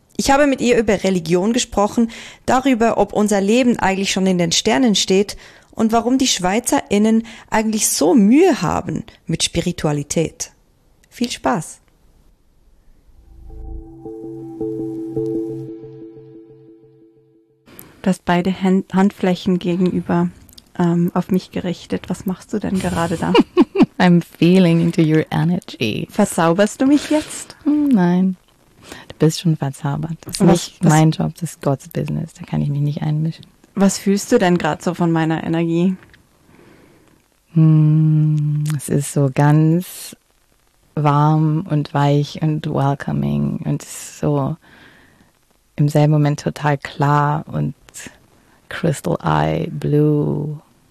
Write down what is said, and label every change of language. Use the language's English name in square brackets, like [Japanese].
[German] Ich habe mit ihr über Religion gesprochen, darüber, ob unser Leben eigentlich schon in den Sternen steht und warum die SchweizerInnen eigentlich so Mühe haben mit Spiritualität. Viel Spaß! Du hast beide Handflächen gegenüber auf mich gerichtet. Was machst du denn gerade da? [English] I'm feeling into your energy. [German] Verzauberst du mich jetzt? Nein. Du bist schon verzaubert. Das ist nicht mein Job, das ist [English] God's Business. [German] Da kann ich mich nicht einmischen. Was fühlst du denn gerade so von meiner Energie? Es ist so ganz warm und weich und welcoming und so im selben Moment total klar und [English] crystal eye blue.